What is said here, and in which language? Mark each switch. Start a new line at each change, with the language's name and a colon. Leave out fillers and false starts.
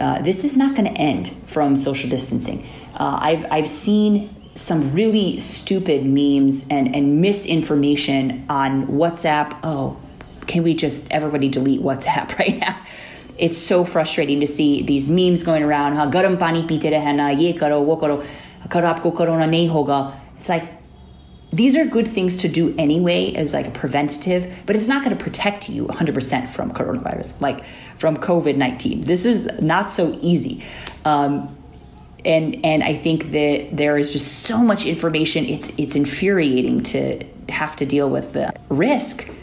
English: This is not going to end from social distancing. I've seen some really stupid memes and misinformation on WhatsApp. Oh, can we just everybody delete WhatsApp right now? It's so frustrating to see these memes going around.
Hindi: हा, गरम पानी पीते रहना, ये करो, वो करो, करो आपको कोरोना नहीं होगा.
English: It's like, these are good things to do anyway as like a preventative, but it's not going to protect you 100% from coronavirus, like from COVID-19. This is not so easy. And I think that there is just so much information. It's infuriating to have to deal with the risk